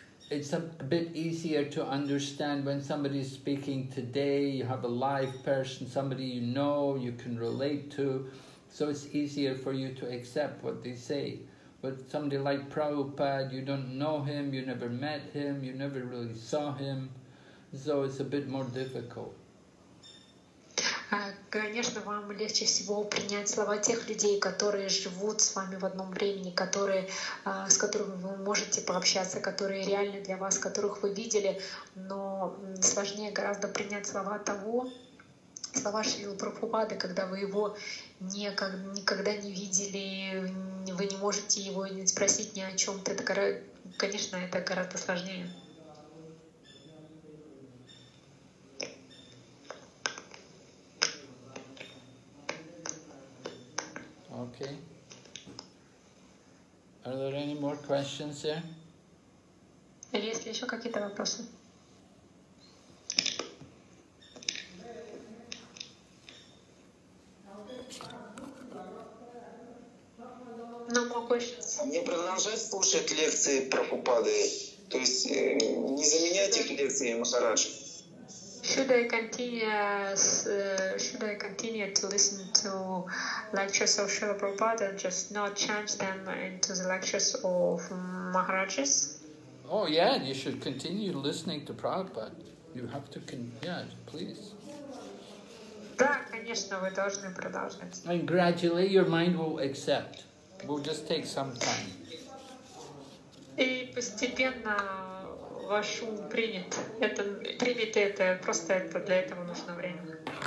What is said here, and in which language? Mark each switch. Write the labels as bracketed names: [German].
[English] It's a bit easier to understand when somebody is speaking today, you have a live person, somebody you know, you can relate to, so it's easier for you to accept what they say. But somebody like Prabhupada, you don't know him, you never met him, you never really saw him, so it's a bit more difficult. [Russian] Конечно, вам легче всего принять слова тех людей, которые живут с вами в одном времени, которые, с которыми вы можете пообщаться, которые реальны для вас, которых вы видели, но сложнее гораздо принять слова того, слова Шрилы Прабхупады, когда вы его никогда не видели, вы не можете его спросить ни о чем-то. Конечно, это гораздо сложнее. [English] Okay. Are there any more questions here? [Russian] Есть ли еще какие-то вопросы? [English] No more questions. [Russian] Не продолжать слушать лекции Прабхупады, то есть не заменять их лекции Махараджи. [English] Should I continue to listen to lectures of Srila Prabhupada and just not change them into the lectures of Maharajas? Oh yeah, you should continue listening to Prabhupada. You have to please. [Russian] Да, конечно, вы должны продолжать. [English] And gradually your mind will accept. It will just take some time. [Russian] И постепенно ваш ум принят. Это примет это. Просто это для этого нужно время.